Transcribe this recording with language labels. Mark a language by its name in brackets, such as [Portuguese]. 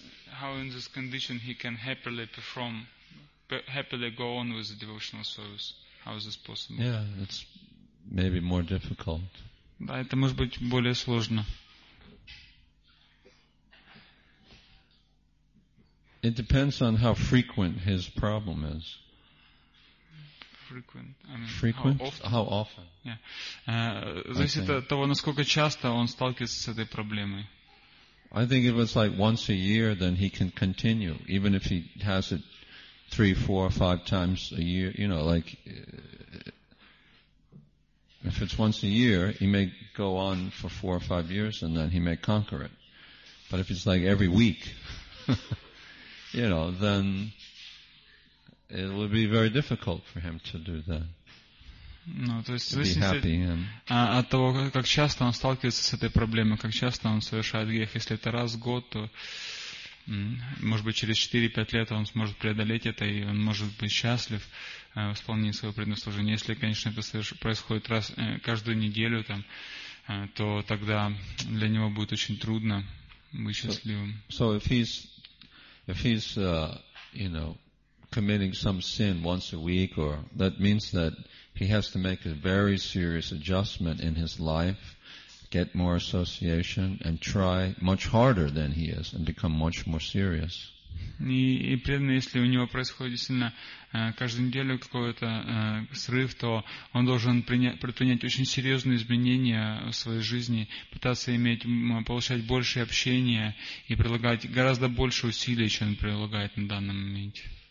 [English] How in this condition he can happily perform, happily go on with the devotional service? How is this possible? Yeah, it's maybe more difficult. [Russian] Да, это может быть более сложно. [English] It depends on how frequent his problem is. Frequent. I mean, frequent? How often? Yeah. [Russian] Зависит от того, насколько часто он сталкивается с этой проблемой. [English] I think if it's like once a year, then he can continue, even if he has it 3, 4, 5 times a year. You know, like if it's once a year, he may go on for 4 or 5 years, and then he may conquer it. But if it's like every week, you know, then it would be very difficult for him to do that. [Russian] Ну, то есть, зависит от того, как часто он сталкивается с этой проблемой, как часто он совершает грех. Если это раз в год, то, может быть, через 4-5 лет он сможет преодолеть это, и он может быть счастлив в исполнении своего предназначения. Если, конечно, это происходит раз каждую неделю, там, то тогда для него будет очень трудно быть счастливым. [English] So if he's you know, committing some sin once a week, or that means that he has to make a very serious adjustment in his life, get more association, and try much harder than he is, and become much more serious. [Russian] И преданный, если у него происходит сильно каждую неделю какой-то срыв, то он должен предпринять очень серьезные изменения в своей жизни, пытаться получать больше общения и прилагать гораздо больше усилий, чем он прилагает на данном моменте.